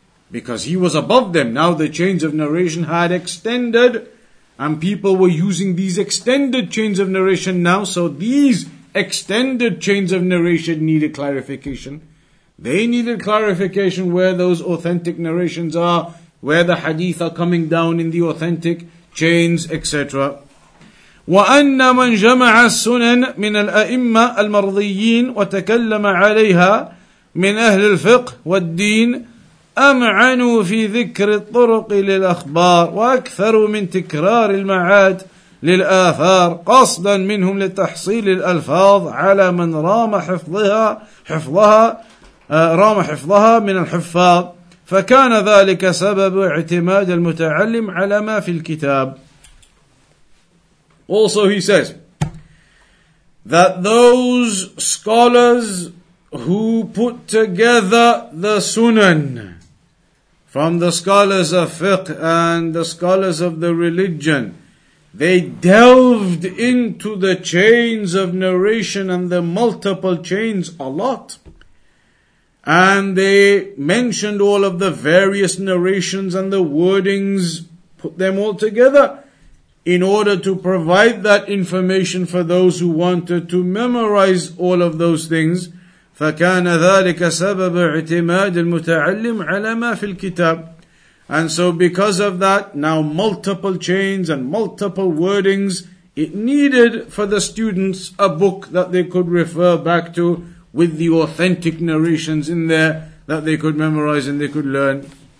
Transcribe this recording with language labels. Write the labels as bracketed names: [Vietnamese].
[English] Because he was above them. Now the chains of narration had extended, and people were using these extended chains of narration now, so these extended chains of narration needed clarification. They needed clarification where those authentic narrations are, where the hadith are coming down in the authentic chains, etc. [Arabic] وَأَنَّ مَنْ جَمَعَ السُّنَنْ مِنَ الْأَئِمَّةِ الْمَرْضِيِّينَ وَتَكَلَّمَ عَلَيْهَا مِنْ أَهْلِ الْفِقْهِ وَالدِّينِ أَمْعَنُوا فِي ذِكْرِ الطُّرُقِ لِلْأَخْبَارِ وَأَكْثَرُوا مِنْ تِكْرَارِ الْمَعَادِ لِلْآثَارِ قَصْدًا مِنْهُمْ لِتَحْصِيلِ الْأَلْفَاظِ عَلَى مَنْ رَامَ حِفْظَهَا مِنَ الْحُفَّاظِ فَكَانَ ذَلِكَ سَبَبُ اعْتِمَادِ الْمُتَعَلِّمِ عَلَى مَا فِي الْكِتَابِ [English] Also he says that those scholars who put together the Sunan from the scholars of fiqh and the scholars of the religion, they delved into the chains of narration and the multiple chains a lot. And they mentioned all of the various narrations and the wordings, put them all together, in order to provide that information for those who wanted to memorize all of those things. [Arabic] فَكَانَ ذَلِكَ سَبَبَ اِعْتِمَادِ الْمُتَعَلِّمِ عَلَى مَا فِي الْكِتَابِ [English] And so because of that, now multiple chains and multiple wordings, it needed for the students a book that they could refer back to with the authentic narrations in there that they could memorize and they could learn.